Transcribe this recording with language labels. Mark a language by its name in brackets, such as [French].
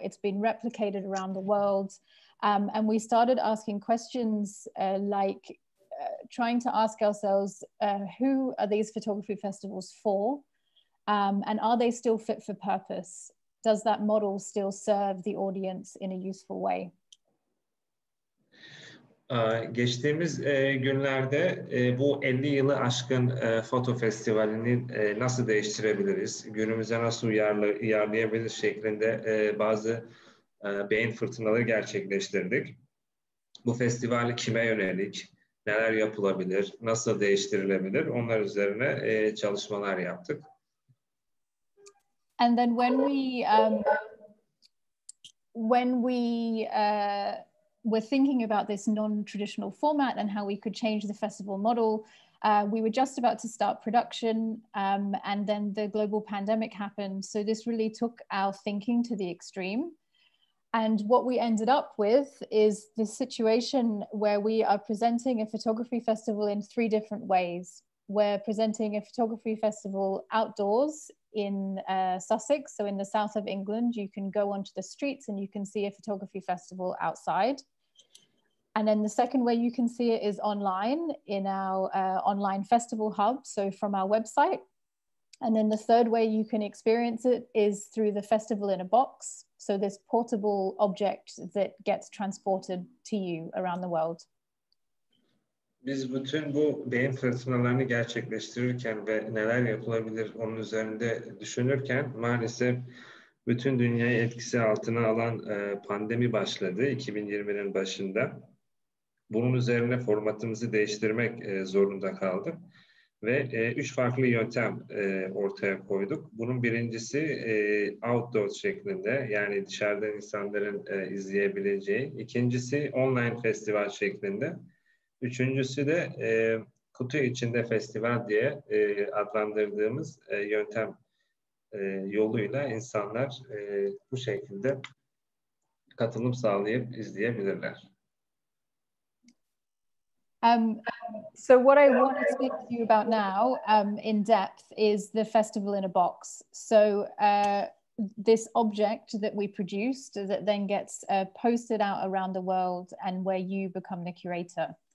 [English] It's been replicated around the world. And we started asking questions like trying to ask ourselves, who are these photography festivals for? And are they still fit for purpose? Does that model still serve the audience in a useful way? [Turkish] Geçtiğimiz günlerde bu 50 yılı aşkın foto festivalini nasıl değiştirebiliriz, günümüze nasıl uyarlayabiliriz şeklinde bazı beyin fırtınaları gerçekleştirdik. Bu festival kime yönelik, neler yapılabilir, nasıl değiştirilebilir, onlar üzerine çalışmalar yaptık. [English] And then when we were thinking about this non-traditional format and how we could change the festival model, we were just about to start production, and then the global pandemic happened. So this really took our thinking to the extreme. And what we ended up with is this situation where we are presenting a photography festival in three different ways. We're presenting a photography festival outdoors in Sussex, so in the south of England. You can go onto the streets and you can see a photography festival outside. And then the second way you can see it is online in our online festival hub, so from our website. And then the third way you can experience it is through the festival in a box, so this portable object that gets transported to you around the world. [Turkish] Biz bütün bu beyin fırtınalarını gerçekleştirirken ve neler yapılabilir onun üzerinde düşünürken maalesef bütün dünyayı etkisi altına alan pandemi başladı 2020'nin başında. Bunun üzerine formatımızı değiştirmek zorunda kaldık ve üç farklı yöntem ortaya koyduk. Bunun birincisi outdoor şeklinde, yani dışarıdan insanların izleyebileceği. İkincisi online festival şeklinde. Üçüncüsü de kutu içinde festival diye adlandırdığımız yöntem yoluyla insanlar bu şekilde katılım sağlayıp izleyebilirler. [English] So what I want to speak to you about now in depth is the festival in a box. So this object that we produced that then gets posted out around the world and where you become the curator.